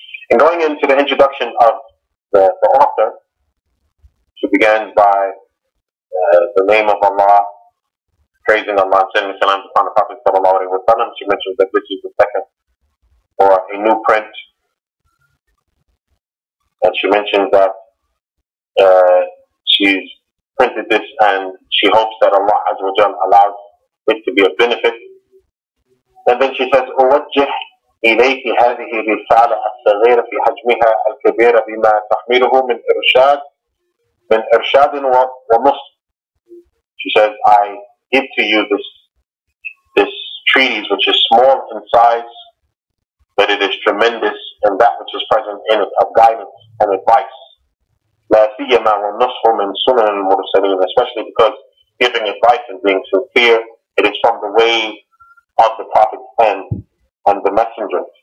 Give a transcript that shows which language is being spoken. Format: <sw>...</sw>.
<en>And going into the introduction of the author, she begins by the name of Allah, praising Allah, sending salam upon the Prophet sallallahu alayhi wa sallam. She mentions that this is the second or a new print. And she mentions that she's printed this and she hopes that Allah Azza wa Jalla allows it to be a benefit. And then she says,</en> <ar>أوجه إليك هذه الرسالة الصغيرة في حجمها الكبيرة بما تحمله من إرشاد ونص.</ar> <en>She says, I give to you this treatise, which is small in size, but it is tremendous, and that which is present in it of guidance and advice.</en> <ar>لا سيما ونصه من سنن المرسلين,</ar> <en>especially because giving advice and being sincere, it is from the way of the Prophet and the Messenger.</en>